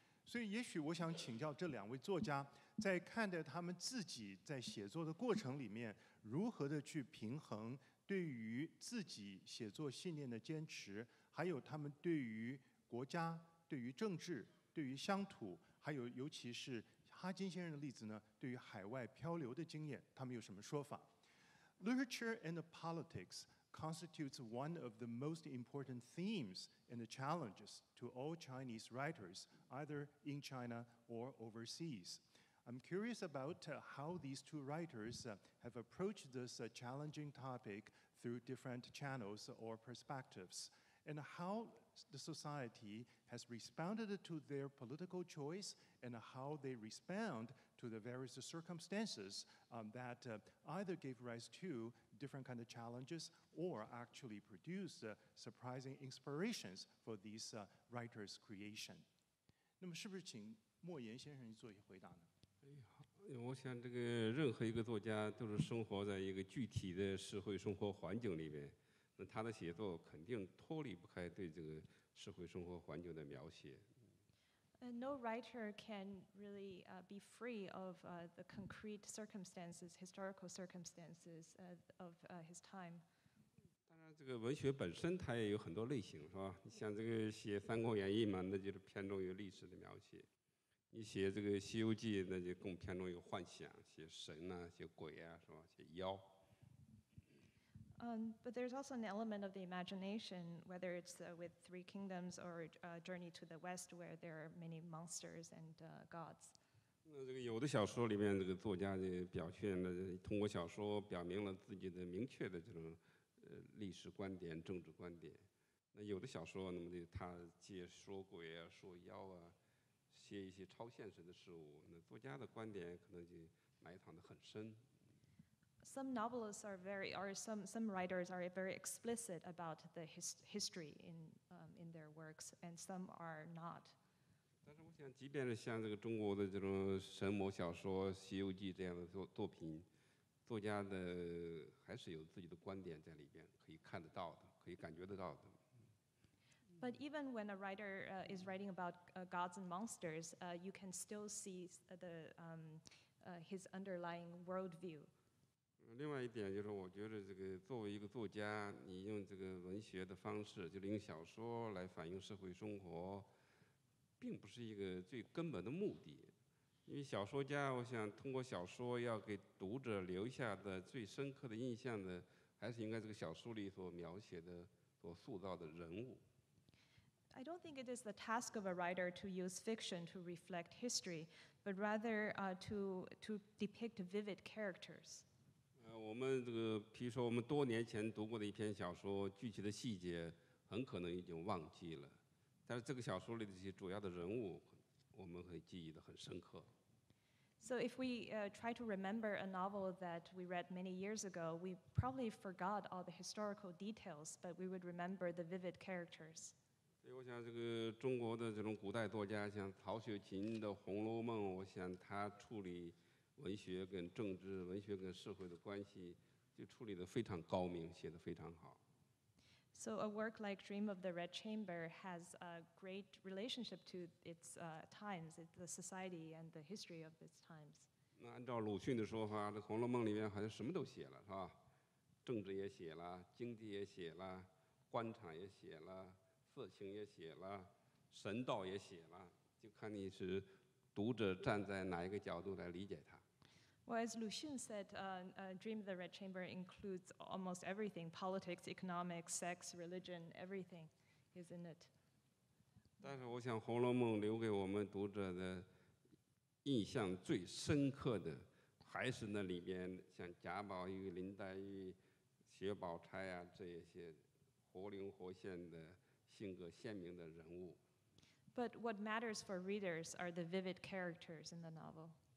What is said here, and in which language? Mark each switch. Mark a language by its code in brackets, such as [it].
[zh] 所以也许我想请教这两位作家，在看待他们自己在写作的过程里面，如何的去平衡对于自己写作信念的坚持，还有他们对于国家、对于政治、对于乡土，还有尤其是哈金先生的例子呢，对于海外漂流的经验，他们有什么说法 ？ [en] Literature and politics. Constitutes one of the most important themes and the challenges to all Chinese writers, either in China or overseas. I'm curious about how these two writers have approached this challenging topic through different channels or perspectives, and how the society has responded to their political choice, and how they respond to the various circumstances that either gave rise to different kind of challenges or actually produced surprising inspirations for these writers' creation. [zh] 那么是不是请莫言先生做一回答呢？我想这个任何一个作家都是生活在一个具体的社会生活环境里面，那他的写作肯定脱离不开对这个社会生活环境的描写。 [en] No writer can really be free of the concrete circumstances, historical circumstances of his time. [zh] 当然，这个文学本身它也有很多类型，是吧？你像这个写《三国演义》嘛，那就是偏重于历史的描写；你写这个《西游记》，那就更偏重于幻想，写神呐、写鬼啊，是吧？写妖。 [en] But there's also an element of the imagination, whether it's with Three Kingdoms or Journey to the West, where there are many monsters and gods. [zh] 那这个有的小说里面，这个作家的表现的，通过小说表明了自己的明确的这种历史观点、政治观点。那有的小说，那么他借说鬼啊、说妖啊，写一些超现实的事物，那作家的观点可能就埋藏得很深。 [en] Some novelists are very, or some writers are very explicit about the history in their works, and some are not. [zh] 但是我想，即便是像这个中国的这种神魔小说《西游记》这样的作品，作家的还是有自己的观点在里边，可以看得到的，可以感觉得到的。 [en] But even when a writer is writing about gods and monsters, you can still see the his underlying worldview. [zh] 另外一点就是我觉得这个作为一个作家，你用这个文学的方式，就是用小说来反映社会生活，并不是一个最根本的目的。因为小说家，我想通过小说要给读者留下的最深刻的印象的，还是应该这个小说里所描写的、所塑造的人物。 [en] I don't think it is the task of a writer to use fiction to reflect history, but rather to depict vivid characters. [zh] 我们这个，比如说我们多年前读过的一篇小说，具体的细节很可能已经忘记了，但是这个小说里的一些主要的人物，我们会记忆的很深刻。 [en] So if we try to remember a novel that we read many years ago, we probably forgot all the historical details, but we would remember the vivid characters. [zh] 所以我想这个中国的这种古代作家，像曹雪芹的《红楼梦》，我想他处理文学跟政治、文学跟社会的关系，就处理得非常高明，写得非常好。 [en] So a work like Dream of the Red Chamber has a great relationship to its times, the society and the history of its times. [zh] 那按照鲁迅的说法，这《红楼梦》里面好像什么都写了，是吧？政治也写了，经济也写了，官场也写了，色情也写了，神道也写了，就看你是读者站在哪一个角度来理解它。 [en] Well, as Lu Xun said, Dream of the Red Chamber includes almost everything, politics, economics, sex, religion, everything is in it. [zh] 但是我想《红楼梦》留给我们读者的印象最深刻的还是那里面像贾宝玉、林黛玉、薛宝钗啊，这些活灵活现的性格鲜明的人物。 [en] But what matters for readers are the vivid characters in the novel.